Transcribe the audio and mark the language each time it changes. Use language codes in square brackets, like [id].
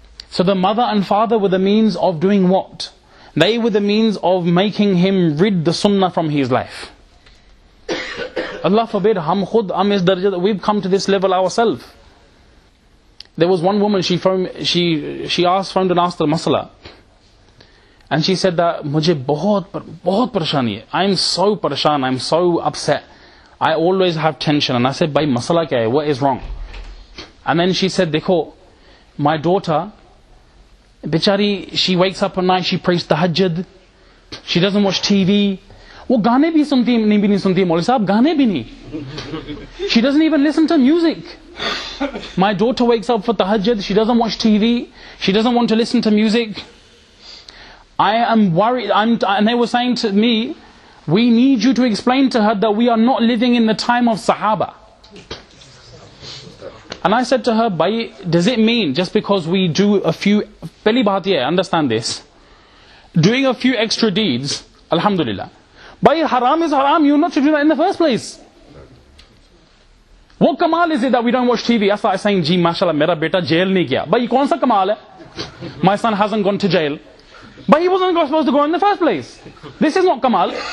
[en] So the mother and father were the means of doing what? They were the means of making him rid the sunnah from his life. Allah forbid, we've come to this level ourselves. There was one woman, she phoned and asked the masala. And she said that, [ur] مجھے بہت پریشان ہے۔ [en] I'm so upset. I always have tension. And I said, [ur] بھائی، مسئلہ کیا ہے؟ [en] What is wrong? And then she said, dekho, my daughter, bichari, she wakes up at night, she prays tahajjud. She doesn't watch TV. [ur] وہ گانے بھی سنتی نہیں بھی نہیں سنتی مولوی صاحب، گانے بھی نہیں۔ [en] She doesn't even listen to music. My daughter wakes up for tahajjud, she doesn't watch TV. She doesn't want to listen to music. I am worried, and they were saying to me, we need you to explain to her that we are not living in the time of Sahaba. And I said to her, bhai, does it mean just because we do a few, [ur] pehli baat ye, [en] understand this, doing a few extra deeds, alhamdulillah. Bhai, haram is haram, you're not to do that in the first place. What kamal is it that we don't watch TV? That's like saying, [ur] جی، ماشاءاللہ، میرا بیٹا jail نہیں گیا۔ بھائی، کون سا کمال ہے؟ [en] My son hasn't gone to jail. But he wasn't supposed to go in the first place. This is not kamal.